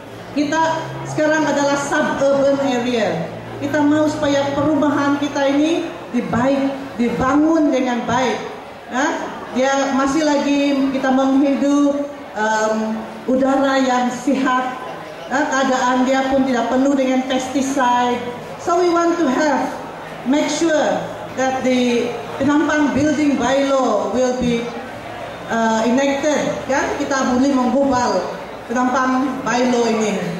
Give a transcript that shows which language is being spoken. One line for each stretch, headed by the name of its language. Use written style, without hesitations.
Malay: Kita sekarang adalah suburban area. Kita mau supaya perumahan kita ini dibaik, dibangun dengan baik. Nah, dia masih lagi kita menghidup udara yang sehat. Nah, keadaan dia pun tidak penuh dengan pesticide.
English: So we want to have make sure that the penampang building bylaw will be enacted.
Malay: Kan? Kita boleh menggubal penampang bylaw ini.